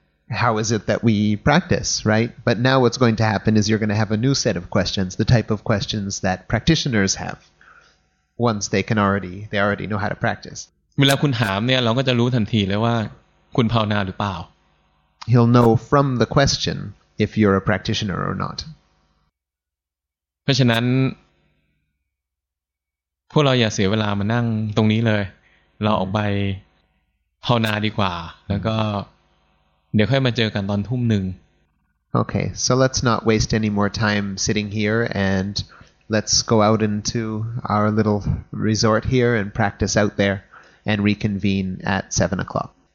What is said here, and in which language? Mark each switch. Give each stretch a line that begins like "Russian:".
English: how is it that we practice, right? But now what's going to happen is you're going to have a new set of questions, the type of questions that practitioners have once they can already, they already know how to practice.
Thai: เวลาคุณถามเนี่ยเราก็จะรู้ทันทีเลยว่าคุณภาวนาหรือเปล่า
English: He'll know from the question if you're a practitioner or not.
Thai: เพราะฉะนั้นพวกเราอย่าเสียเวลามานั่งตรงนี้เลยเราออกไปภาวนาดีกว่าแล้วก็เดี๋ยวค่อยมาเจอกันตอนทุ่มหนึ่ง
English: Okay, so let's not waste any more time sitting here and let's go out into our little resort here and practice out there and reconvene at 7 o'clock.